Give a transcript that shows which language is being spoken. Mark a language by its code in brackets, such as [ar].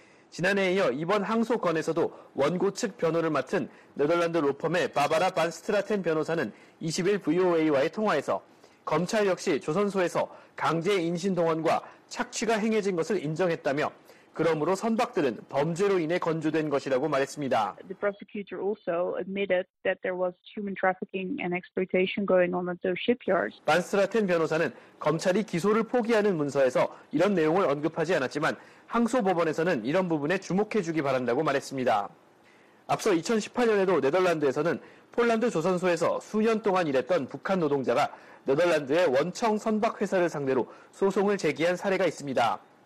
[ko] 지난해에 이어 이번 항소건에서도 원고 측 변호를 맡은 네덜란드 로펌의 바바라 반스트라텐 변호사는 20일 VOA와의 통화에서 검찰 역시 조선소에서 강제 인신동원과 착취가 행해진 것을 인정했다며 그러므로 선박들은 범죄로 인해 건조된 것이라고 말했습니다. [en] The prosecutor also admitted that there was human trafficking and exploitation going on at those shipyards. [ko] 반스트라텐 변호사는 검찰이 기소를 포기하는 문서에서 이런 내용을 언급하지 않았지만 항소법원에서는 이런 부분에 주목해주기 바란다고 말했습니다. 앞서 2018년에도 네덜란드에서는 폴란드 조선소에서 수년 동안 일했던 북한 노동자가 네덜란드의 원청 선박회사를 상대로 소송을 제기한 사례가 있습니다.